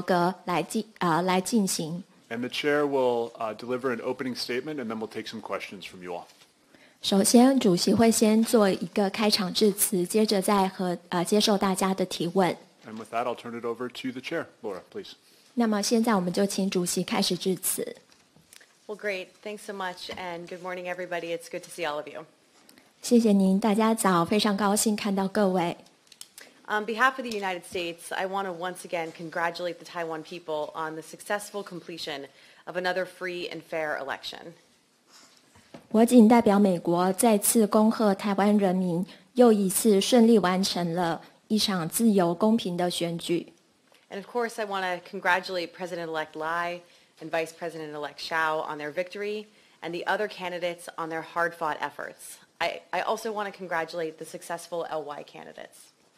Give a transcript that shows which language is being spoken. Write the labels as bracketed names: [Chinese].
[Chinese] 今天的媒体见面会是和AIT的主席罗森伯格来进行。 [English] And the chair will deliver an opening statement, and then we'll take some questions from you all. [Chinese] 首先，主席会先做一个开场致辞，接着再和接受大家的提问。 [English] And with that, I'll turn it over to the chair, Laura, please. [Chinese] 那么现在我们就请主席开始致辞。Well, [English] great. Thanks so much, and good morning, everybody. It's good to see all of you. [Chinese] 谢谢您，大家早，非常高兴看到各位。 [English] On behalf of the United States, I want to once again congratulate the Taiwan people on the successful completion of another free and fair election. [Chinese] 我谨代表美国再次恭贺台湾人民又一次顺利完成了一场自由公平的选举。 [English] And of course, I want to congratulate President-elect Lai and Vice President-elect Shao on their victory and the other candidates on their hard-fought efforts. I also want to congratulate the successful LY candidates.